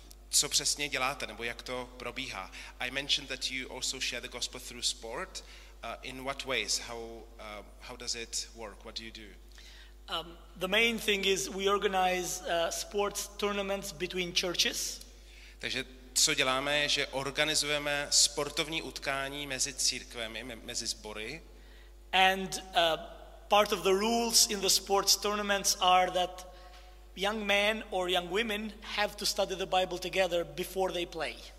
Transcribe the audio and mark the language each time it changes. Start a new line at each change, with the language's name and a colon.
Czech: Co přesně děláte, nebo jak to probíhá?
English: I mentioned that you also share the gospel through sport. In what ways? How does it work? What do you do? The main thing is we organize sports tournaments between churches.
Czech: Takže co děláme, je, že organizujeme sportovní utkání mezi církvemi, mezi sbory.
English: And part of the rules in the sports tournaments are that young men or young women have to study the Bible together before they play.